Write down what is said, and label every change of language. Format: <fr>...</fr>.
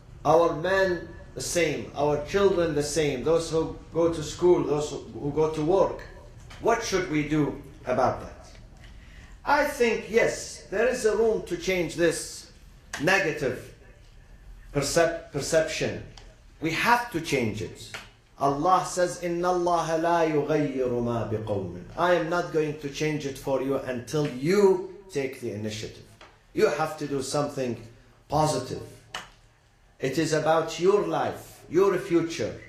<en>Our men, the same. Our children, the same. Those who go to school, those who go to work. What should we do about that? I think, yes, there is a room to change this negative perception. We have to change it. Allah says,</en> <ar>إِنَّ اللَّهَ لَا يُغَيِّرُ مَا بِقَوْمٍ.</ar> <en>I am not going to change it for you until you take the initiative. You have to do something positive. It is about your life, your future.</en>